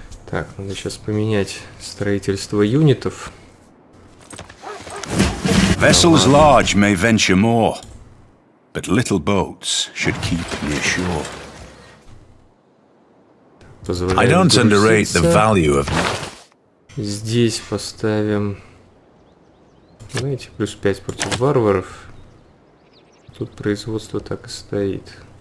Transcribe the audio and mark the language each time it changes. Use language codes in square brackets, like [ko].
[ru] Так, надо сейчас поменять строительство юнитов. [en] Vessels large may venture more, but little boats should keep near shore. I don't underrate the value of. [ru] Здесь поставим, знаете, плюс 5 против варваров. Тут производство так и стоит.